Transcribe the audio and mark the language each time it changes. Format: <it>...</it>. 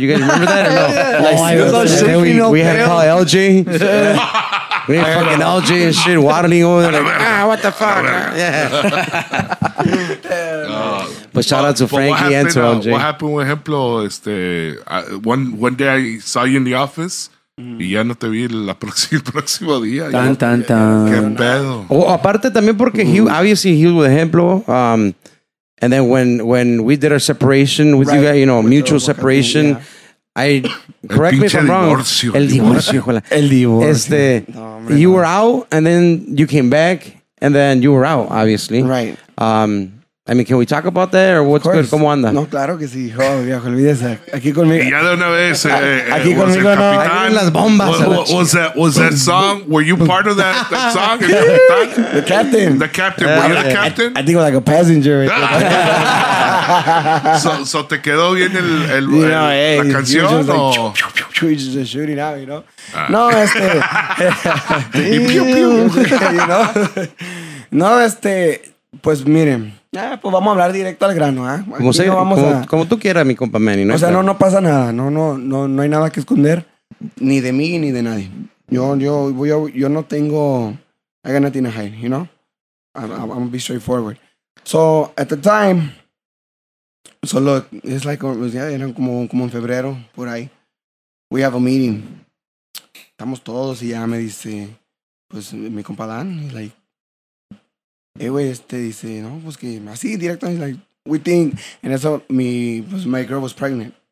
<en>You guys remember that or no? We had to call LG. We had fucking LG and shit waddling over there like, what the fuck? Yeah. But shout out to Frankie and to LG. What happened with Ejemplo? One day I saw you in the office.</en> <es>Y ya no te vi el próximo día. Tan. Qué pedo. Aparte también porque</es> <en>obviously he was with Ejemplo. And then when we did our separation with you guys, you know, mutual separation, correct me if I'm wrong.</en> <es>El divorcio.</es> <en>You were out and then you came back and then you were out, obviously. Right. I mean, can we talk about that or what's good?</en> <es>¿Cómo anda? No, claro que sí. Oh, viejo, olvídese. Aquí conmigo. Y ya de una vez. Aquí conmigo no. Ahí en las bombas.</es> <en>Was that song? Were you part of that song? The captain. The captain. The captain. Were you the captain? I think it was like a passenger.</en> <es>So te quedó bien la canción?</es> <en>You know, hey. You just shooting out, you know? No, Pew, pew. You know?</en> <es>No, pues miren. Pues vamos a hablar directo al grano, ¿eh? Como tú quieras, mi compa Manny, ¿no? O sea, no pasa nada, no hay nada que esconder, ni de mí ni de nadie. Yo no tengo, I got nothing to hide, you know?</es> <en>I'm gonna be straightforward. So, at the time, so look, it's like,</en> <es>eran como en febrero, por ahí.</es> <en>We have a meeting.</en> <es>Estamos todos y ya me dice, pues, mi compa Dan, like, güey, dice, no, pues que así directamente, like,</es> <en>we think,</en> <es>and eso,</es> <en>my girl was pregnant.</en>